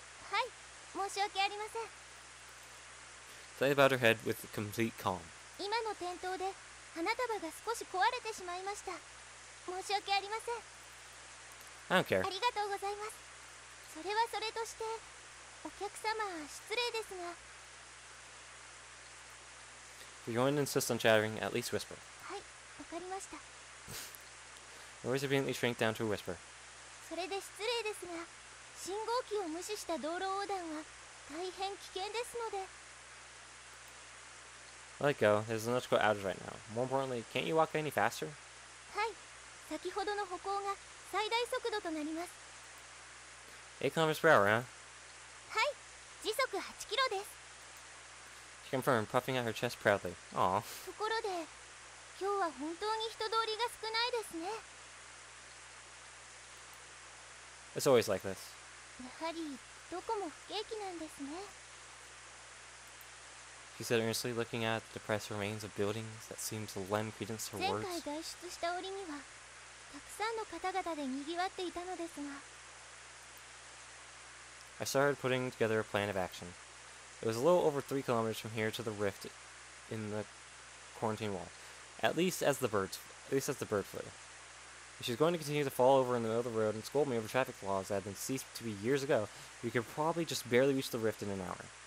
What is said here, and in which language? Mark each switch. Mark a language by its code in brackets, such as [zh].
[ja] はい、申し訳ありません。 [en] Slightly bowed her head with complete calm. [ja] 今の転倒で花束が少し壊れてしまいました。申し訳ありません。 [en] I don't care. [ja] ありがとうございます。それはそれとして、 お客様は失礼ですが。 [en] If you're going to insist on chattering, at least whisper. [ja] はい、わかりました。 [en] Your voice obediently shrank down to a whisper. [ja] それで失礼ですが、 信号機を無視した道路横断は大変危険ですので。 [en] Let go. There's an electrical outage right now. More importantly, can't you walk any faster? [ja] はい、先ほどの歩行が 最大速度となります。 [en] 8 kilometers per hour, huh? [ja] はい、時速8キロです。 [en] She confirmed, puffing out her chest proudly. Aww. [ja] ところで、今日は本当に人通りが少ないですね。 [en] It's always like this. [ja] やはり、どこも不景気なんですね。 [en] She said earnestly, looking at the depressed remains of buildings that seemed to lend credence to her words. [ja] 前回外出した折には、 たくさんの方々でにぎわっていたのですが。 [en] I started putting together a plan of action. It was a little over 3 kilometers from here to the rift in the quarantine wall. At least as the bird flew. If she's going to continue to fall over in the middle of the road and scold me over traffic laws that had been ceased to be years ago, we could probably just barely reach the rift in an hour.